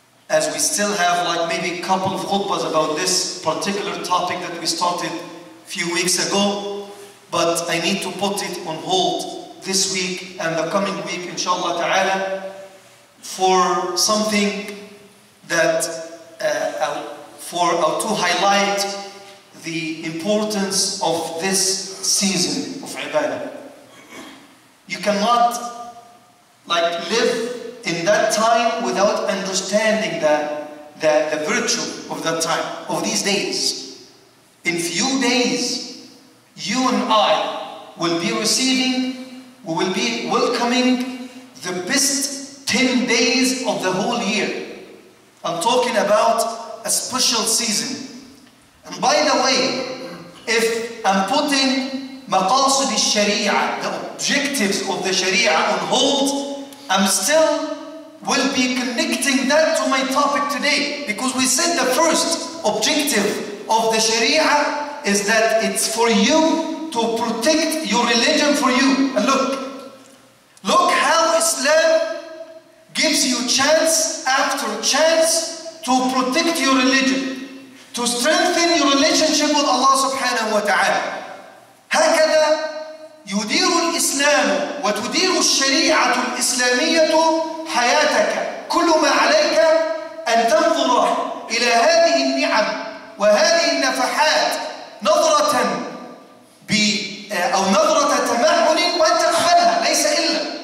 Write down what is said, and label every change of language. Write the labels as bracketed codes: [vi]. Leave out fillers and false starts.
[en] as we still have like maybe a couple of khutbahs about this particular topic that we started a few weeks ago but I need to put it on hold this week and the coming week inshallah ta'ala for something that to highlight the importance of this season of ibadah. You cannot live in that time without understanding that the virtue of that time, of these days. In few days, you and I will be receiving, we will be welcoming the best 10 days of the whole year. I'm talking about a special season. And by the way, if I'm putting maqasid al-shari'ah, the objectives of the shari'ah on hold, I'm still will be connecting that to my topic today. Because we said the first objective of the shari'ah is that it's for you to protect your religion for you. And look how Islam gives you chance after chance to protect your religion. To strengthen your relationship with Allah subhanahu wa ta'ala. [ar] هكذا يدير الإسلام وتدير الشريعة الإسلامية حياتك. كل ما عليك أن تنظر إلى هذه النعم وهذه النفحات نظرة أو نظرة تمعن وأن تقبلها ليس إلا.